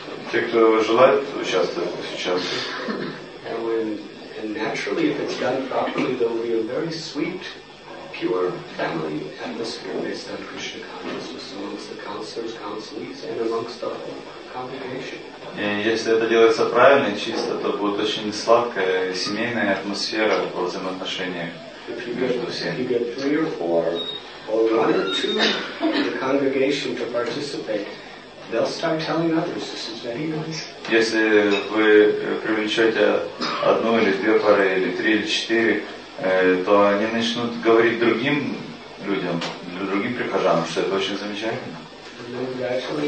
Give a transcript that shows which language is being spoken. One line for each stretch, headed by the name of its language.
Russian: Те, кто желает участвовать, участвуют.
English: And naturally, if it's done properly, there will be a very sweet pure family atmosphere based on Krishna consciousness amongst the counselors, counselees, and amongst the whole congregation.
Russian: И если это делается правильно и чисто, то будет очень сладкая семейная атмосфера в взаимоотношениях между всеми.
English: If you get three or four, or one or two of the congregation to participate, they'll start telling others, this is very nice.
Russian: Если вы привлечете одну или две пары, или три, или четыре, то они начнут говорить другим людям, другим прихожанам, что это очень замечательно.